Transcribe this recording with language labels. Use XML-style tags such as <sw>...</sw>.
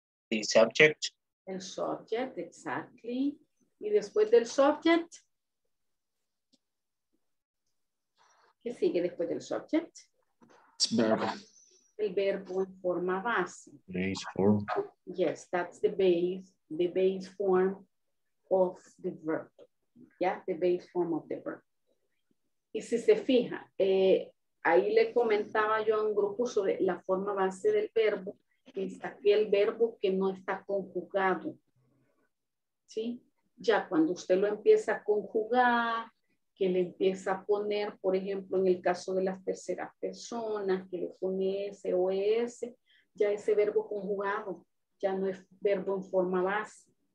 <en>The subject. El subject, exactly.</en> <es>Y después del subject, ¿qué sigue después del subject?</es> <en>It's verb.</en> <es>El verbo en forma base.</es> <en>Base form. Yes, that's the base form of the verb. Yeah, the base form of the verb.</en> <es>Y si se fija, ahí le comentaba yo a un grupo sobre la forma base del verbo, que está aquí el verbo que no está conjugado. ¿Sí? Ya cuando usted lo empieza a conjugar, que le empieza a poner, por ejemplo, en el caso de las terceras personas, que le pone S o S, ya ese verbo conjugado ya no es verbo en forma base.</es>